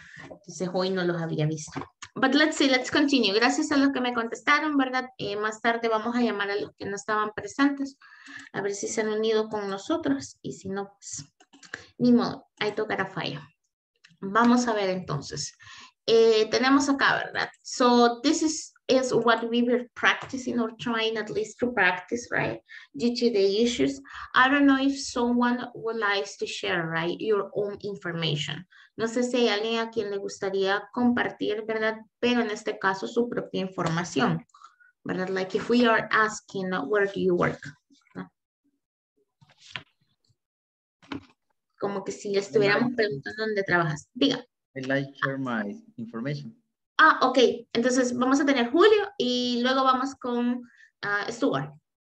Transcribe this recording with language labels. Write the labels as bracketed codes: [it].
[es] Entonces, hoy no los había visto. [en] But let's see, let's continue. [es] Gracias a los que me contestaron, ¿verdad? Más tarde vamos a llamar a los que no estaban presentes, a ver si se han unido con nosotros, y si no, pues, ni modo, ahí tocará falla. Vamos a ver entonces. Tenemos acá, ¿verdad? [en] So, this is what we were practicing or trying at least to practice, right? Due to the issues. I don't know if someone would like to share, right? Your own information. [es] No sé si hay alguien a quien le gustaría compartir, ¿verdad? Pero en este caso, su propia información, ¿verdad? [en] Like if we are asking, where do you work? [es] Como que si le estuviéramos preguntando dónde trabajas. Diga. [en] I'd like to share my information. Ah, ok. [es] Entonces vamos a tener Julio y luego vamos con Stuart.